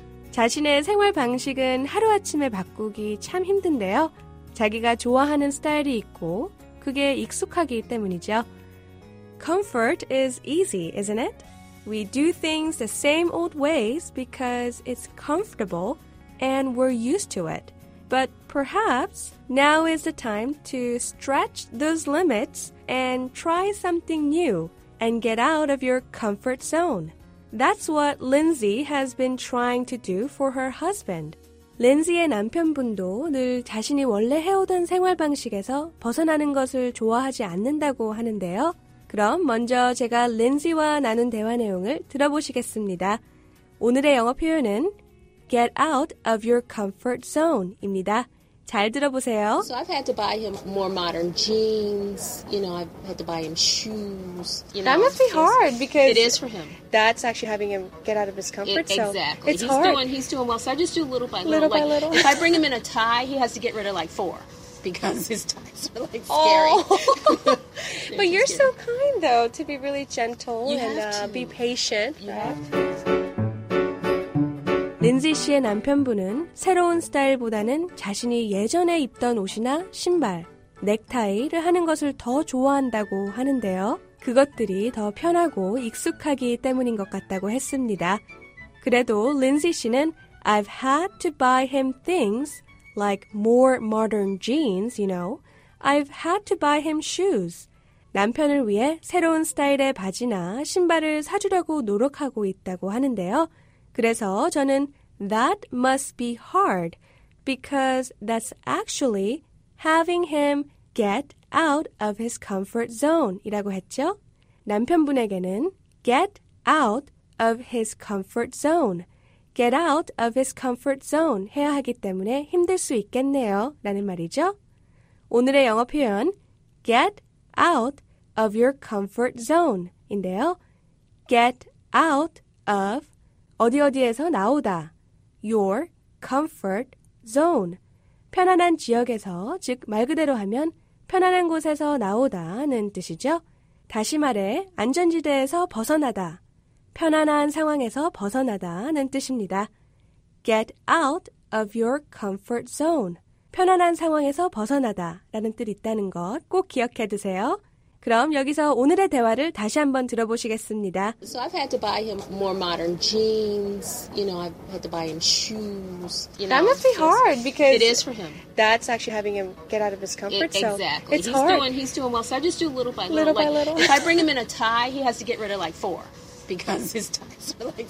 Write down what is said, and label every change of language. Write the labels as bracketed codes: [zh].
[ko] 자신의 생활 방식은 하루아침에 바꾸기 참 힘든데요. 자기가 좋아하는 스타일이 있고 그게 익숙하기 때문이죠. [en] Comfort is easy, isn't it? We do things the same old ways because it's comfortable and we're used to it. But perhaps now is the time to stretch those limits and try something new and get out of your comfort zone. That's what Lindsay has been trying to do for her husband. [ko] Lindsay의 남편분도 늘 자신이 원래 해오던 생활 방식에서 벗어나는 것을 좋아하지 않는다고 하는데요. 그럼 먼저 제가 Lindsay와 나눈 대화 내용을 들어보시겠습니다. 오늘의 영어 표현은 [en] get out of your comfort zone입니다. [ko] 잘 들어보세요. [en] So I've had to buy him more modern jeans. You know, I've had to buy him shoes. You know, that must be hard because it is for him. That's actually having him get out of his comfort zone. Exactly. It's hard. He's doing well. So I just do little by little. Little by little. If I bring him in a tie, he has to get rid of like four. Because his ties are like scary. Oh. But you're so kind, though, to be really gentle and be patient. You have to. [ko] 린지 씨의 남편분은 새로운 스타일보다는 자신이 예전에 입던 옷이나 신발, 넥타이를 하는 것을 더 좋아한다고 하는데요. 그것들이 더 편하고 익숙하기 때문인 것 같다고 했습니다. 그래도 린지 씨는 [en] I've had to buy him things like more modern jeans, you know. I've had to buy him shoes. [ko] 남편을 위해 새로운 스타일의 바지나 신발을 사주려고 노력하고 있다고 하는데요. 그래서 저는 [en] that must be hard because that's actually having him get out of his comfort zone이라고 했죠. [ko] 남편분에게는 [en] get out of his comfort zone, get out of his comfort zone [ko] 해야 하기 때문에 힘들 수 있겠네요 라는 말이죠. 오늘의 영어 표현 get out of your comfort zone 인데요. get out of 어디 어디에서 나오다, your comfort zone, 편안한 지역에서, 즉 말 그대로 하면 편안한 곳에서 나오다는 뜻이죠. 다시 말해 안전지대에서 벗어나다, 편안한 상황에서 벗어나다는 뜻입니다. Get out of your comfort zone, 편안한 상황에서 벗어나다라는 뜻이 있다는 것 꼭 기억해 두세요. 그럼 여기서 오늘의 대화를 다시 한번 들어보시겠습니다. [en] So I've had to buy him more modern jeans. You know, I've had to buy him shoes. You know, that must be hard because it is for him. That's actually having him get out of his comfort zone. Exactly. It's hard. He's doing well. So I just do little by little. Little by little. If I bring him in a tie, he has to get rid of like four. Because his ties are like scary.